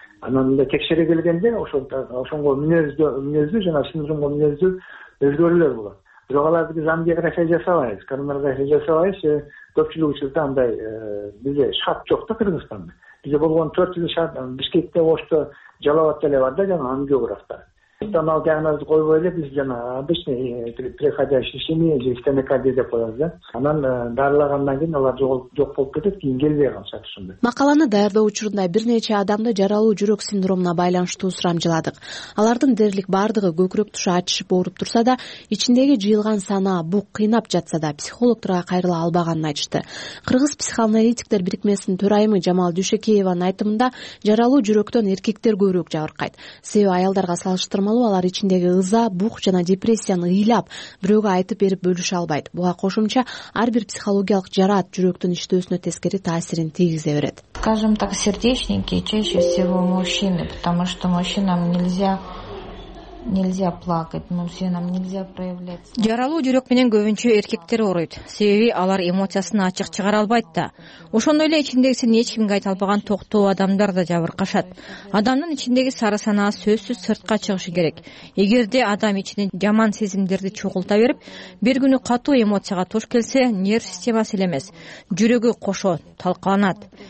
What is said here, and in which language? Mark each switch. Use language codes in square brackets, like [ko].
[ky] Анан мындай текшере келгенде ошонго мүнөздүү жана синдромго мүнөздүү өзгөрүүлөр болот. Бирок аларды биз ангиография жасабайбыз, коронарография жасабайбыз. Көпчүлүк учурда андай бизде шарт жок да Кыргызстанда. Бизде болгон 4 жыл шарт Бишкекте, Ошто, Жалал Абад эле бар да жана ангиографтар. Сондуктан ал диагнозду койбой эле биз жана [ru] обычный приходящий [ky] ишемия же стенокардия деп коебуз да. Анан дарылагандан кийин алар жок болуп кетет, кийин келбей калышат ушундай. Макаланы даярдоо учурунда бир нече адамды жаралуу жүрөк синдромуна байланыштуу сурамжыладык. Алардын дээрлик баардыгы көкүрөк тушу ачышып ооруп турса да, ичиндеги жыйылган санаа бук кыйнап жатса да психологторго кайрыла албаганын айтышты. Кыргыз психоаналитиктер бирикмесинин төрайымы Жамал Дүшекеевнин айтымында жаралуу жүрөктөн эркектер көбүрөөк жабыркайт. Себеби аялдарга салыштырмалуу кармалуу алар ичиндеги ыза, бух жана депрессияны ыйлап, бирөөгө айтып берип бөлүшө албайт. Буга кошумча, ар бир психологиялык жараат жүрөктүн иштөөсүнө тескери таасирин тийгизе берет. [ru] Скажем так, сердечники чаще всего мужчины, потому что мужчинам нельзя плакать, мужчинам нельзя проявляться. [ky] Жаралуу жүрөк менен көбүнчө эркектер ооруйт. Себеби алар эмоциясын ачык чыгара албайт да. Ошондой эле ичиндегисин эч кимге айта албаган токтоо адамдар да жабыркашат. Адамдын ичиндеги сары санаа сөзсүз сыртка чыгышы керек. Эгерде адам ичинен жаман сезимдерди чогулта берип, бир күнү катуу эмоцияга туш келсе, нерв системасы эле эмес, жүрөгү кошо талкаланат.